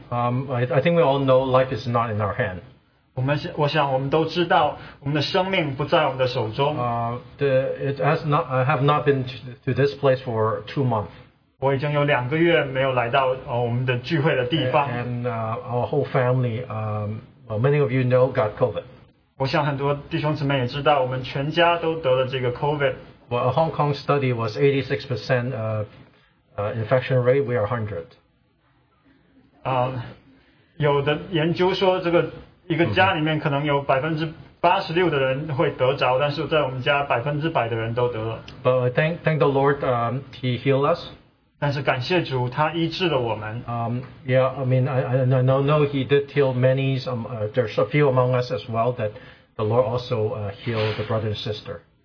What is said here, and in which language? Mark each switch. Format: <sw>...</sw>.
<en>I think we all know life is not in our hand.</en> <zh>我想我们都知道,</zh> <en>I have not been to this place for 2 months.</en> <zh>我已经有两个月没有来到,</zh> <en>our whole family, many of you know, got COVID.</en> <zh>我想很多弟兄姊妹也知道, COVID.</zh> <en>Well, a Hong Kong study was 86% infection rate, we are 100.</en> <zh>有的研究说这个一个家里面可能有 86%的人会得着 但是在我们家 100%的人都得了</zh> <en>But thank the Lord he healed us</en> <zh>但是感谢主他医治了我们</zh> <en>I know he did heal many there's a few among us as well that the Lord also healed the brother and sister</en>